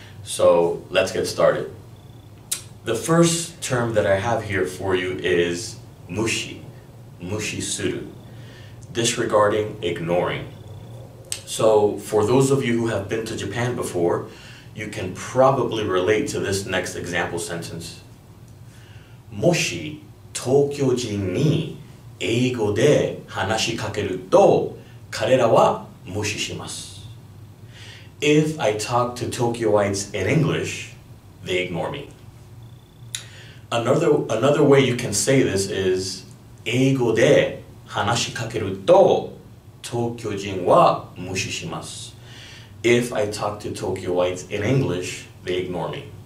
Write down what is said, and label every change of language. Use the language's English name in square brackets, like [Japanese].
[English] So let's get started. The first term that I have here for you is mushi, mushi suru, disregarding, ignoring. So for those of you who have been to Japan before,You can probably relate to this next example sentence. [Japanese] もし東京人に英語で話しかけると彼らは無視します。 [English] If I talk to Tokyoites in English, they ignore me. Another way you can say this is [Japanese] 英語で話しかけると東京人は無視します。 [English] If I talk to Tokyoites in English, they ignore me.